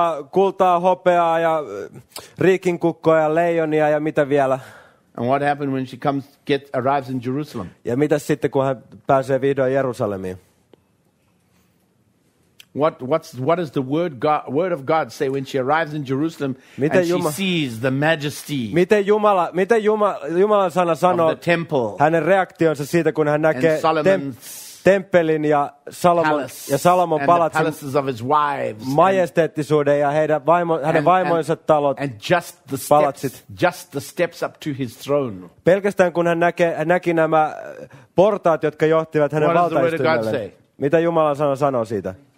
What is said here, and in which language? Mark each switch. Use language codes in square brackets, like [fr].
[fi] Kultaa, hopeaa ja riikinkukkoja, leijonia ja mitä vielä. [en] And what happened when she arrives in Jerusalem? [fi] Ja mitä sitten, kun hän pääsee vihdoin Jerusalemiin? [en] What does the word of God say when she arrives in Jerusalem and she sees the majesty? [fi] Miten Jumala sana sanoo [en] of the temple? [fi] Hänen reaktionsa siitä, kun hän näkee temppelin ja Salomon palatsin, [en] the palaces of his wives, [fi] majesteettisuuden ja hänen vaimonsa talot, [en] and just the [fi] palatsit. [en] Just the steps up to his throne. [fi] Pelkästään kun hän näki nämä portaat, jotka johtivat hänen valtaistuimelle. Mitä Jumalan sana sanoo siitä?